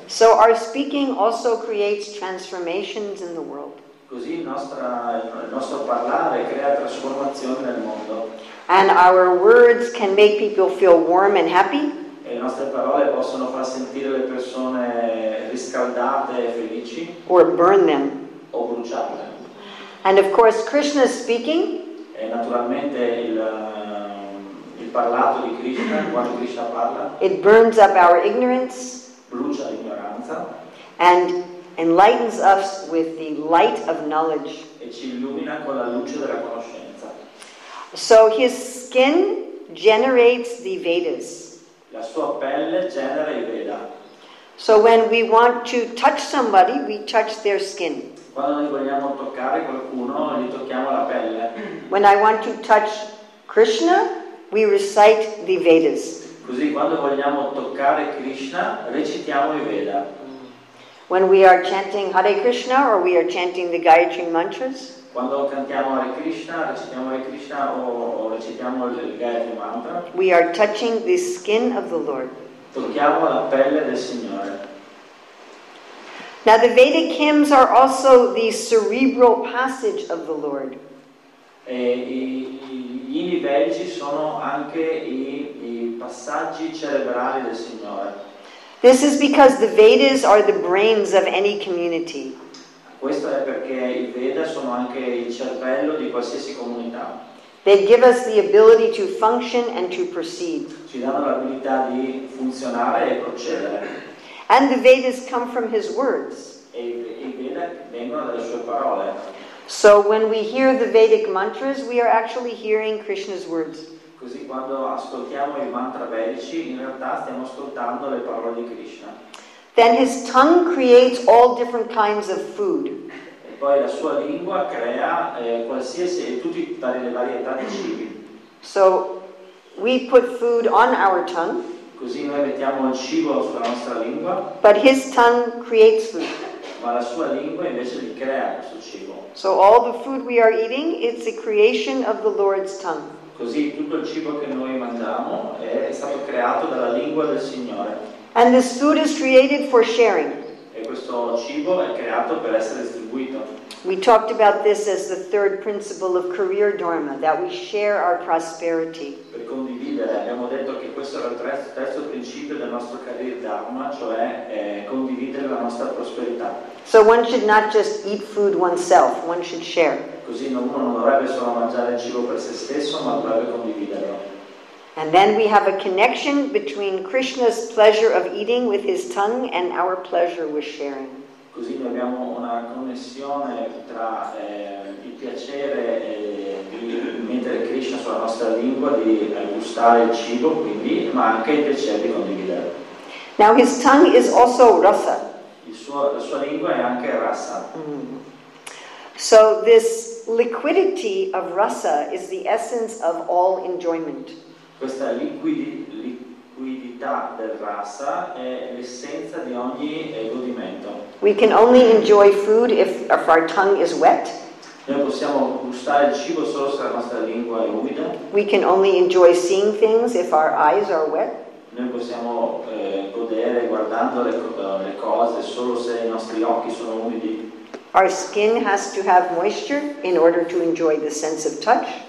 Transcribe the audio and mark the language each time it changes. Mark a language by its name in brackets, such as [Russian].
[English] So our speaking also creates transformations in the world. [Italian] Così il nostro parlare crea trasformazioni nel mondo. [English] And our words can make people feel warm and happy. [Italian] E le nostre parole possono far sentire le persone riscaldate e felici. [English] Or burn them. [Italian] O bruciarle. [English] And of course Krishna speaking. [Italian] E naturalmente il parlato di Krishna, quando Krishna parla, [English] it burns up our ignorance, [Italian] brucia l'ignoranza, [English] and enlightens us with the light of knowledge. [Italian] E ci illumina con la luce della conoscenza. [English] So his skin generates the Vedas. [Italian] La sua pelle genera i Veda. [English] So when we want to touch somebody, we touch their skin. [Italian] Quando noi vogliamo toccare qualcuno, gli tocchiamo la pelle. [English] When I want to touch Krishna, we recite the Vedas. [Italian] Così quando vogliamo toccare Krishna, recitiamo i Veda. [English] When we are chanting Hare Krishna or we are chanting the Gayatri mantras, [Italian] quando cantiamo Hare Krishna, recitiamo Hare Krishna o recitiamo il Gayatri mantra, [English] we are touching the skin of the Lord. [Italian] Tocchiamo la pelle del Signore. [English] Now the Vedic hymns are also the cerebral passage of the Lord. [Italian] E gli inni vedici sono anche i passaggi cerebrali del Signore. [English] This is because the Vedas are the brains of any community. [Italian] Questo è perché i Veda sono anche il cervello di qualsiasi comunità. [English] They give us the ability to function and to proceed. [Italian] Ci danno l'abilità di funzionare e procedere. [English] And the Vedas come from his words. [Italian] E i Veda vengono dalle sue parole. [English] So when we hear the Vedic mantras, we are actually hearing Krishna's words. [Italian] Così quando ascoltiamo i mantra vedici, in realtà stiamo ascoltando le parole di Krishna. [English] Then his tongue creates all different kinds of food. [Italian] E poi la sua lingua crea tutte le varietà di cibi. [English] So we put food on our tongue. [Italian] Così noi mettiamo il cibo sulla nostra lingua. [English] But his tongue creates food. [Italian] Ma la sua lingua invece li crea questo cibo. [English] So all the food we are eating, it's the creation of the Lord's tongue. [Italian] Così tutto il cibo che noi mangiamo è stato creato dalla lingua del Signore. [English] And this food is created for sharing. [Italian] E questo cibo è creato per essere distribuito. [English] We talked about this as the third principle of career dharma, that we share our prosperity. [Italian] Per condividere, abbiamo detto che questo era il terzo principio del nostro career dharma, cioè condividere la nostra prosperità. [English] So one should not just eat food oneself, one should share. [Italian] Così uno non dovrebbe solo mangiare il cibo per se stesso, ma dovrebbe condividerlo. [English] And then we have a connection between Krishna's pleasure of eating with his tongue and our pleasure with sharing. [Italian] Così noi abbiamo una connessione tra il piacere di mettere Krishna sulla nostra lingua, di gustare il cibo, quindi, ma anche il piacere di condividerlo. [English] Now his tongue is also rasa. [Italian] La sua lingua è anche rasa. [English] So this liquidity of rasa is the essence of all enjoyment. [Italian] Questa liquidità del rasa è l'essenza di ogni godimento. [English] We can only enjoy food if our tongue is wet. [Italian] Noi possiamo gustare il cibo solo se la nostra lingua è umida. [English] We can only enjoy seeing things if our eyes are wet. [Italian] Noi possiamo godere guardando le cose solo se i nostri occhi sono umidi. [English] Our skin has to have moisture in order to enjoy the sense of touch.